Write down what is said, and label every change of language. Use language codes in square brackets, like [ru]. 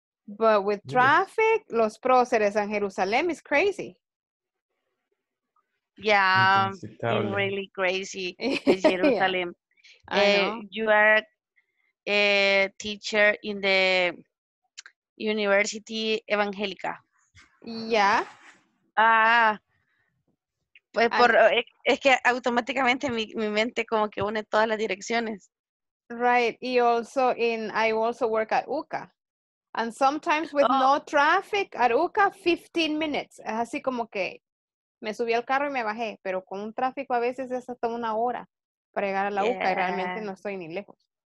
[en] But with traffic, yes. Los Próceres and Jerusalem is crazy. Yeah, it's really crazy. It's Jerusalem. Yeah. You are a teacher in the University Evangelica. Yeah. Ah. [es] Pues por, es que automáticamente mi mente como que une todas las direcciones. [en] Right. Y also in, I also work at UCA. And sometimes with no traffic, at UCA, 15 minutes. [es] Es así como que me subí al carro y me bajé. Pero con un tráfico a veces es hasta una hora para llegar a la UCA. Y realmente no estoy ni lejos.